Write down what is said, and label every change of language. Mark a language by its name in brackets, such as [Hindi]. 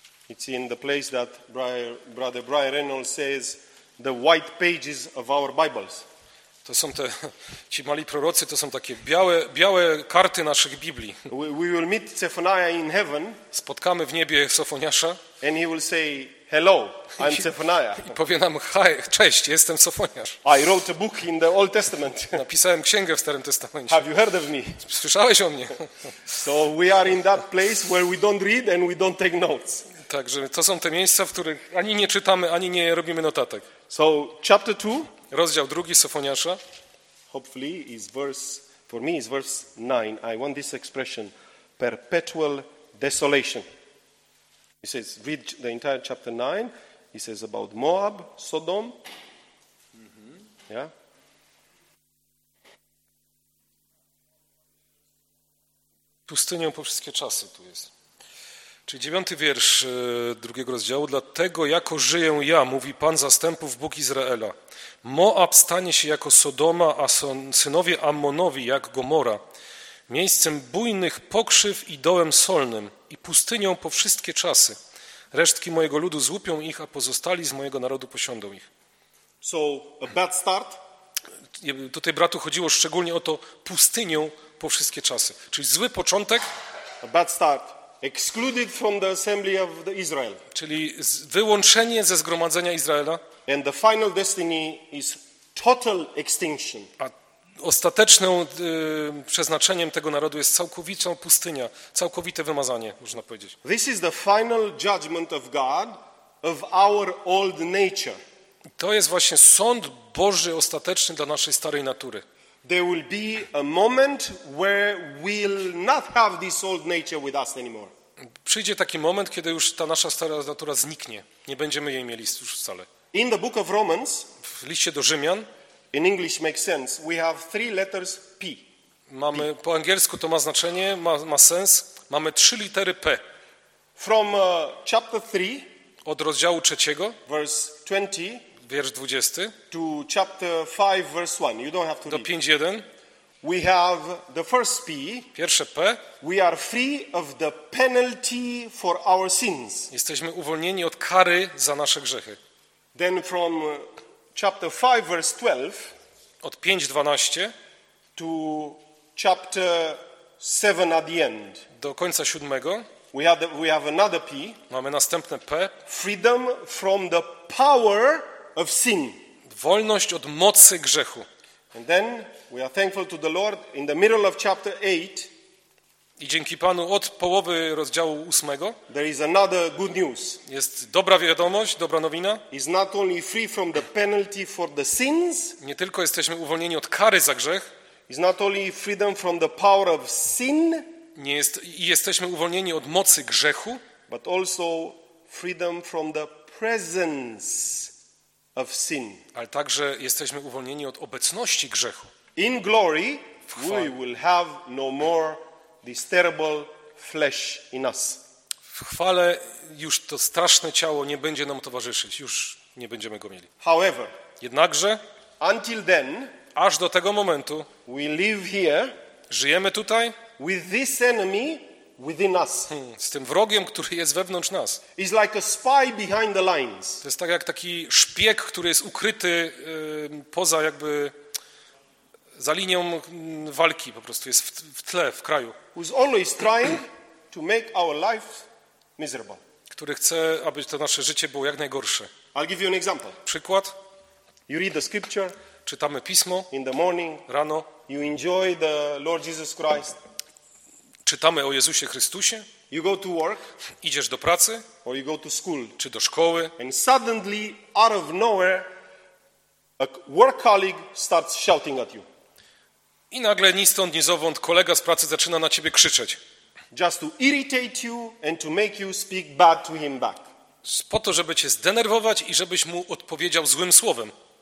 [English] It's in the place that brother Brian Reynolds says the white pages of our Bibles. [Polish] To są te ci mali prorocy, to są takie białe karty naszych Biblii. [English] We will meet Zephaniah in heaven. [Polish] Spotkamy w niebie Sofoniasza. [English] And he will say hello, I'm Zephaniah. [Polish] I powie nam hi, cześć, jestem Sofoniasz. [English] I wrote a book in the Old Testament. [Polish] Napisałem księgę w Starym Testamencie. [English] Have you heard of me? [Polish] Słyszałeś o mnie? [English] So we are in that place where we don't read and we don't take notes. [Polish] Także to są te miejsca, w których ani nie czytamy, ani nie robimy notatek. [English] So, chapter 2. [Polish] Rozdział 2 Sofoniasza. [English] Hopefully is verse, for me is verse 9. I want this expression, perpetual desolation. He says, read the entire chapter 9. He says about Moab, Sodom. Mm-hmm. Yeah. [Polish] Pustynią po wszystkie czasy tu jest. Czyli dziewiąty wiersz drugiego rozdziału. Dlatego jako żyję ja, mówi Pan zastępów, Bóg Izraela. Moab stanie się jako Sodoma, a synowie Ammonowi jak Gomora. Miejscem bujnych pokrzyw i dołem solnym i pustynią po wszystkie czasy. Resztki mojego ludu złupią ich, a pozostali z mojego narodu posiądą ich. [English] So, a bad start. [Polish] Tutaj bratu chodziło szczególnie o to pustynią po wszystkie czasy. Czyli zły początek. [English] A bad start. Excluded from the assembly of the Israel. [Polish] Czyli wyłączenie ze zgromadzenia Izraela. [English] And the final destiny is total extinction. [Polish] A ostatecznym przeznaczeniem tego narodu jest całkowita pustynia, całkowite wymazanie, można powiedzieć. [English] This is the final judgment of God of our old nature. [Polish] To jest właśnie sąd Boży ostateczny dla naszej starej natury. [English] There will be a moment where we'll not have this old nature with us anymore. [Polish] Przyjdzie taki moment, kiedy już ta nasza stara natura zniknie. Nie będziemy jej mieli już wcale. [English] In the book of Romans, [Polish] w liście do Rzymian, [English] in English makes sense, we have three letters P. [Polish] Mamy, po angielsku to ma znaczenie, ma sens. Mamy trzy litery P. [English] From chapter 3, [Polish] od rozdziału trzeciego, [English] verse 20, [Polish] wiersz 20, [English] to chapter 5, verse 1, you don't have to [Polish] do 5:1. [English] We have the first P. [Polish] Pierwsze P. [English] We are free of the penalty for our sins. [Polish] Jesteśmy uwolnieni od kary za nasze grzechy. [English] Then from chapter 5, verse 12, [Polish] od 5:12, [English] to chapter 7 at the end. [Polish] Do końca siódmego. [English] We have another P. [Polish] Mamy następne P. [English] Freedom from the power of sin. [Polish] Wolność od mocy grzechu. [English] And then we are thankful to the Lord in the middle of chapter 8. [Polish] I dzięki Panu od połowy rozdziału ósmego. [English] There is another good news. [Polish] Jest dobra wiadomość, dobra nowina. [English] Is not only free from the penalty for the sins. [Polish] Nie tylko jesteśmy uwolnieni od kary za grzech. [English] Is not only freedom from the power of sin. [Polish] Nie jest, jesteśmy uwolnieni od mocy grzechu. [English] But also freedom from the presence of sin. [Polish] Ale także jesteśmy uwolnieni od obecności grzechu. [English] In glory we will have no more this terrible flesh in us. [Polish] W chwale już to straszne ciało nie będzie nam towarzyszyć, już nie będziemy go mieli. [English] However, [Polish] jednakże [English] until then, [Polish] aż do tego momentu, [English] we live here, [Polish] żyjemy tutaj, [English] with this enemy within us. [Polish] Z tym wrogiem, który jest wewnątrz nas. [English] It's like a spy behind the lines. [Polish] To jest tak jak taki szpieg, który jest ukryty poza jakby za linią walki, po prostu jest w tle, w kraju. [English] Who's always trying to make our life miserable. [Polish] Który chce, aby to nasze życie było jak najgorsze. [English] I'll give you an example. [Polish] Przykład. [English] You read the scripture. [Polish] Czytamy pismo. [English] In the morning. [Polish] Rano. [English] You enjoy the Lord Jesus Christ. [Polish] Czytamy o Jezusie Chrystusie. [English] You go to work. [Polish] Idziesz do pracy. [English] Or you go to school. [Polish] Czy do szkoły. [English] And suddenly, out of nowhere, a work colleague starts shouting at you. [Polish] I nagle ni stąd, ni zowąd kolega z pracy zaczyna na ciebie krzyczeć. [English] Just to irritate you and to make you speak bad to him back. [Polish] Po to, żeby cię zdenerwować i żebyś mu odpowiedział złym słowem.